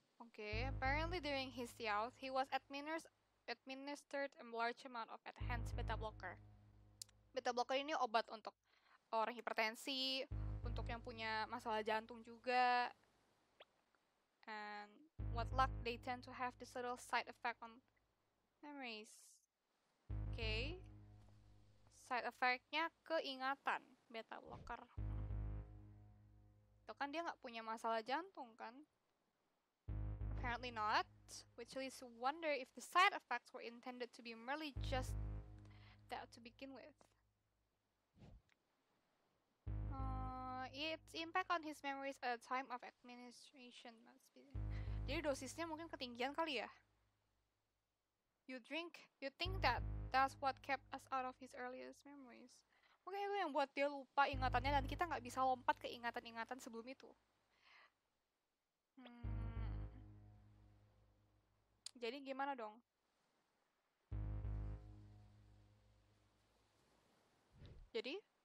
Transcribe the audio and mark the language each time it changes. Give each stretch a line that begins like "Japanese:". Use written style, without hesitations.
English: Okay. Apparently during his youth, he was administered a large amount of enhanced beta blocker.
Indonesian: Beta blocker ini obat untuk orang hipertensi, untuk yang punya masalah jantung juga.
English: And what luck, they tend to have this little side effect on memories.
Indonesian: Okay. Side effect-nya keingatan. Beta blocker. Itu kan dia nggak punya masalah jantung, kan?
English: Apparently not. Which leads to wonder if the side effects were intended to be merely just that to begin with. Its impact on his memories at a time of administration must be...
Indonesian: Jadi dosisnya mungkin ketinggian kali ya?
English: You drink, you think that that's what kept us out of his earliest memories.
Indonesian: Mungkin itu yang buat dia lupa ingatannya dan kita nggak bisa lompat ke ingatan-ingatan sebelum itu. Jadi gimana dong? Jadi?